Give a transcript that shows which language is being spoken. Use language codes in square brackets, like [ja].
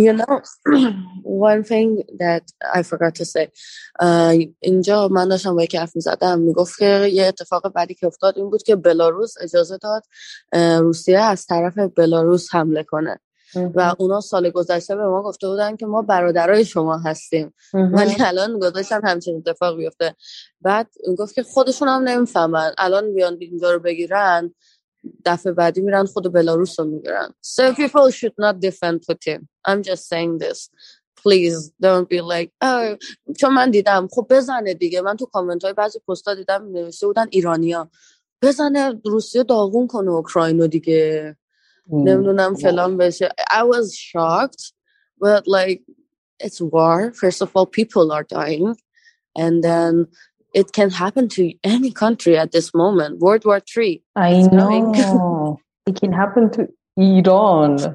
[en] You know, one thing that I forgot to say. [fa] اینجا من داشتم با یکی حرف می‌زدم، میگفت که یه اتفاق بعدی که افتاد این بود که بلاروس اجازه داد روسیه از طرف بلاروس حمله کنه. و اونا سال گذشته به ما گفته بودن که ما برادرای شما هستیم، ولی الان گذاشتن همچین اتفاق بیفته. بعد گفت که خودشون هم نمیفهمن، الان بیان اینجا رو بگیرن، دفعه بعدی میرن خود بلاروس رو میگیرن. [en] So people should not defend Putin. I'm just saying this. Please don't be like [fa] چون من دیدم خب بزنه دیگه. من تو کامنت های بعضی پستا دیدم نوشته بودن ایرانیا بزنه روسیه داغون کنه اوکراینو دیگه. نمیدونم فلان بشه. [en] I was shocked, but like it's war. First of all, people are dying. And then it can happen to any country at this moment. World War III. I know. It can happen to Iran.